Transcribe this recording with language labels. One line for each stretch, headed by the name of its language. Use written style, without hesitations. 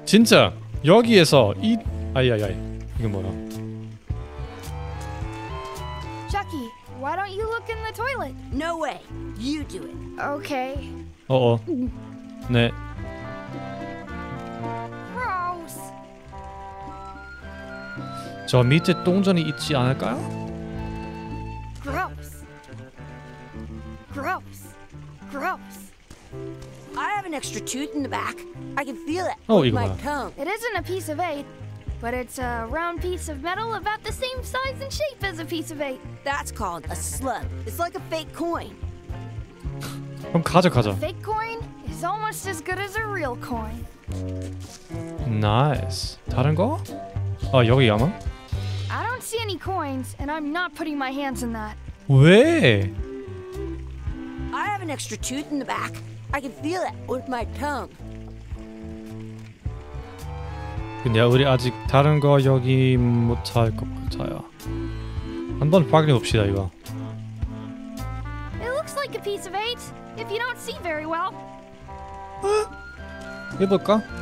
Korean: 진짜 여기에서 이 아이야. 이게 뭐야?
English: Chucky, why don't you look in the toilet? No way. You do it. Okay.
Korean: 어어. 네.
English: Gross.
Korean: 저 밑에 동전이 있지 않을까요?
English: Gross. Gross. Gross. I have an extra tooth in the back. I can feel it. Oh, my tongue. It isn't a piece of eight. But it's a round piece of metal about the same size and shape as a piece of eight. That's called a slip. It's like a fake coin.
Korean: 그럼 가져.
English: A fake coin is almost as good as a real coin. Nice.
Korean: 다른 거? 아, 여기 아마?
English: I don't see any coins, and I'm not putting my hands in that.
Korean: 왜?
English: I have an extra tooth in the back. I can feel it with my tongue.
Korean: 근데 우리 아직 다른 거 여기 못 할 것 같아요. 한번 확인해 봅시다 이거.
English: It looks like a piece of eight. If you don't see very well.
Korean: 해볼까?